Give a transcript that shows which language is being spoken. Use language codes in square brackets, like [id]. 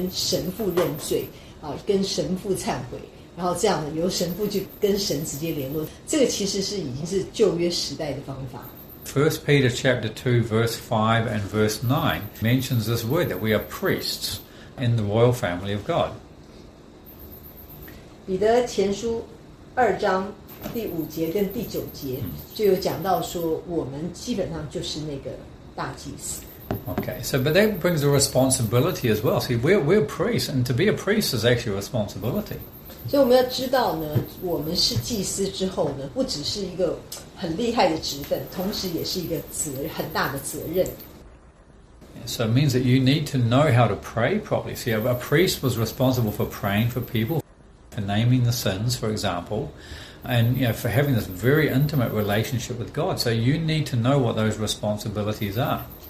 [zh] 很多的其他的那些宗教啊，都还是认为说，哎，我们的人是不足以去面对神的。像比如说天主教，都还是用神父那样的祭司的行为来让我们去跟神父认罪，跟神父忏悔。然后这样的由神父去跟神直接联络，这个其实是已经是旧约时代的方法。 [en] First Peter chapter 2 verse 5 and verse 9 mentions this word that we are priests in the royal family of God. [zh] 彼得前书二章第五节跟第九节就有讲到说，我们基本上就是那个大祭司。 [en] Okay, so but that brings a responsibility as well. See, we're priests, and to be a priest is actually a responsibility. [zh] 所以我们要知道呢，我们是祭司之后呢，不只是一个很厉害的职分，同时也是一个很大的责任。 [en] So it means that you need to know how to pray properly. See, a priest was responsible for praying for people, for naming the sins, for example, and you know, for having this very intimate relationship with God. So you need to know what those responsibilities are.